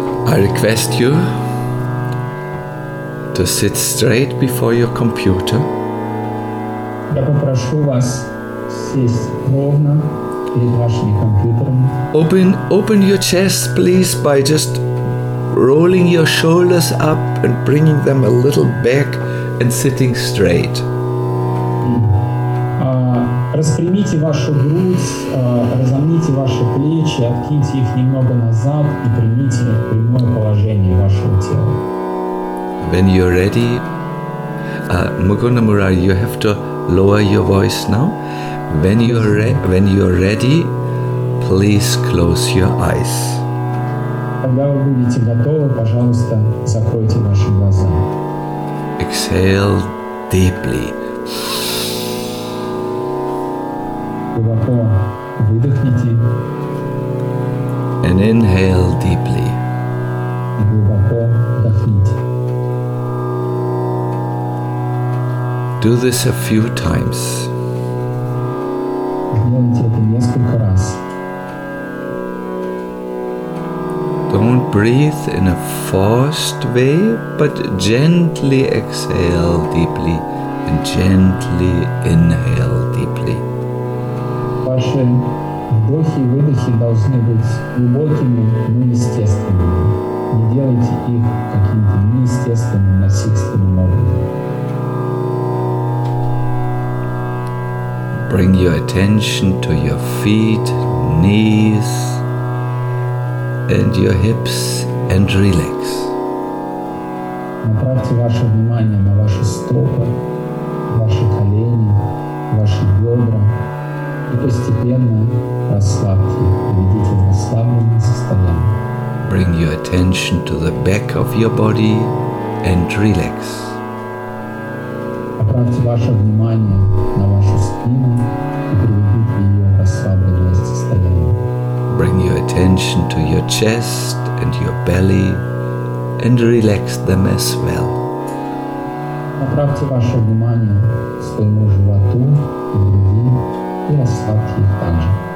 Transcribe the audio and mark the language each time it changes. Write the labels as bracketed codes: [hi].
[en] I request you to sit straight before your computer. [ru] Я попрошу вас сесть ровно перед вашими компьютерами. [en] Open your chest, please, by just rolling your shoulders up and bringing them a little back and sitting straight. [ru] Распрямите вашу грудь, разомните ваши плечи, откиньте их немного назад и примите прямое положение вашего тела. [en] When you're ready, Mukunda Murari, you have to lower your voice now. When you're ready, please close your eyes. [ru] Когда вы будете готовы, пожалуйста, закройте ваши глаза. [en] Exhale deeply. [ru] Глубоко выдохните. [en] And inhale deeply. [ru] и глубоко вдохните. [en] Do this a few times. [ru] Делайте это несколько раз. [en] Don't breathe in a forced way, but gently exhale deeply and gently inhale deeply. [ru] Ваши вдохи и выдохи должны быть глубокими, но естественными. Не делайте их каким-то неестественным, насильственным образом. [en] Bring your attention to your feet, knees, and your hips and relax. [ru] Направьте ваше внимание на ваши стопы, ваши колени, ваши бедра и постепенно расслабьте, введите в расслабленное состояние. [en] Bring your attention to the back of your body and relax. [ru] Направьте ваше внимание на вашу спину и приведите ее в расслабленное состояние. [en] Bring your attention to your chest and your belly and relax them as well. [ru] Направьте ваше внимание своему животу и груди и расслабьте их также.